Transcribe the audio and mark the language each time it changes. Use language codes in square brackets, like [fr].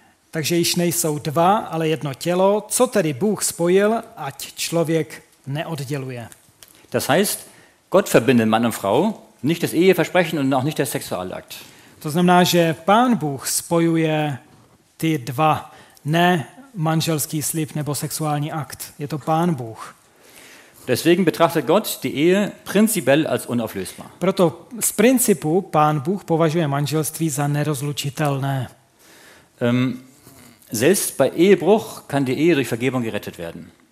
[cs] Takže již nejsou dva, ale jedno tělo. Co tedy Bůh spojil, ať člověk neodděluje? [de] Das heißt, Gott verbindet Mann und Frau, nicht das Eheversprechen und auch nicht der Sexualakt. [cs] To znamená, že Pán Bůh spojuje ty dva, ne manželský slib nebo sexuální akt. Je to Pán Bůh. [de] Deswegen betrachtet Gott die Ehe prinzipiell als unauflösbar. [cs] Proto z principu Pán Bůh považuje manželství za nerozlučitelné. [de] Selbst bei Ehebruch kann die Ehe durch Vergebung gerettet werden.